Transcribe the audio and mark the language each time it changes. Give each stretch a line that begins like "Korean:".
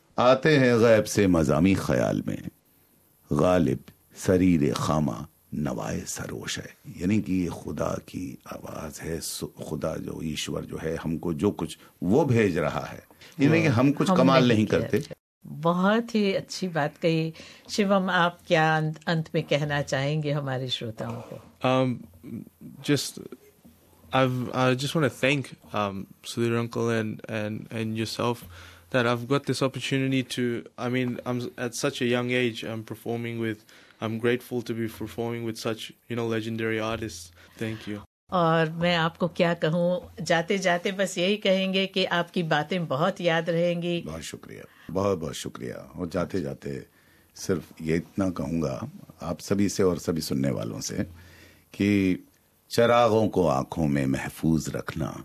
Urdu: آتے ہیں غیب سے مضامی خیال میں، غالب سریر خامہ نوائے سروش ہے، یعنی کہ یہ خدا کی آواز ہے، خدا جو ایشور جو ہے ہم کو جو کچھ وہ بھیج رہا ہے، یعنی کہ ہم کچھ کمال نہیں کرتے۔ بہت ہی اچھی بات کہی شیوم، آپ کیا انت میں کہنا چاہیں گے ہمارے شروتاؤں کو؟
English: I just want to thank Sudhir uncle and yourself that I've got this opportunity to, I mean, I'm at such a young age, I'm performing with, I'm grateful to be performing with such, you know, legendary artists. Thank you.
Urdu: اور میں آپ کو کیا کہوں، جاتے جاتے بس یہی کہیں گے کہ آپ کی باتیں بہت یاد رہیں گی۔ بہت شکریہ، بہت بہت شکریہ، اور جاتے جاتے صرف یہ اتنا کہوں گا آپ سبھی سے اور سبھی سننے والوں سے کہ چراغوں کو آنکھوں میں محفوظ رکھنا،